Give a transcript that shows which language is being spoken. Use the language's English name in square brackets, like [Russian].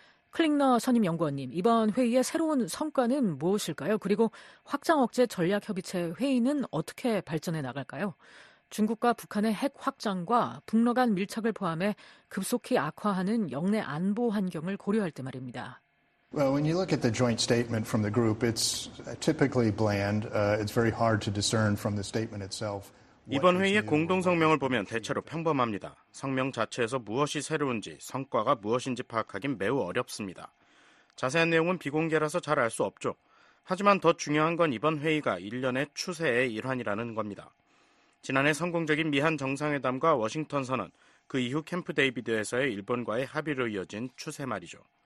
[Korean] 클링너 선임연구원님, 이번 회의의 새로운 성과는 무엇일까요? 그리고 확장 억제 전략협의체 회의는 어떻게 발전해 나갈까요? 중국과 북한의 핵 확장과 북러 간 밀착을 포함해 급속히 악화하는 영내 안보 환경을 고려할 때 말입니다. [English] Well, when you look at the joint statement from the group, it's typically bland. It's very hard to discern from the statement itself. [Korean] 이번 회의의 공동 성명을 보면 대체로 평범합니다. 성명 자체에서 무엇이 새로운지, 성과가 무엇인지 파악하긴 매우 어렵습니다. 자세한 내용은 비공개라서 잘 알 수 없죠. 하지만 더 중요한 건 이번 회의가 일련의 추세의 일환이라는 겁니다. 지난해 성공적인 미한 정상회담과 워싱턴 선언, 그 이후 캠프 데이비드에서의 일본과의 합의로 이어진 추세 말이죠.